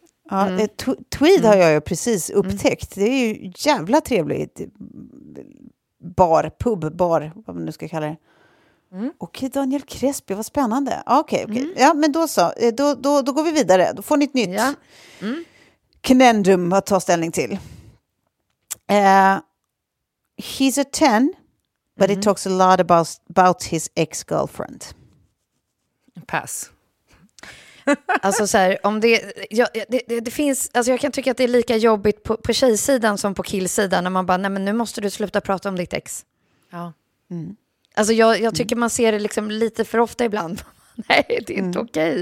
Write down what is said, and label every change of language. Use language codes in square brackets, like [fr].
[sv] Ja, Tweed har jag ju precis upptäckt. Det är ju jävla trevligt. Bar, pub, bar, vad man nu ska kalla det. Okej, Daniel Crespi, vad spännande. Okej. Ja, men då så. Då går vi vidare. Då får ni ett nytt conundrum att ta ställning till. [en] He's a 10, but he talks a lot about his ex-girlfriend. [sv] Pass. Alltså så här, om det, ja, det finns, alltså jag kan tycka att det är lika jobbigt på tjejsidan som på killsidan när man bara, nej men nu måste du sluta prata om ditt ex. Ja. Mm. Alltså jag tycker man ser det liksom lite för ofta ibland. Nej, det är inte okej.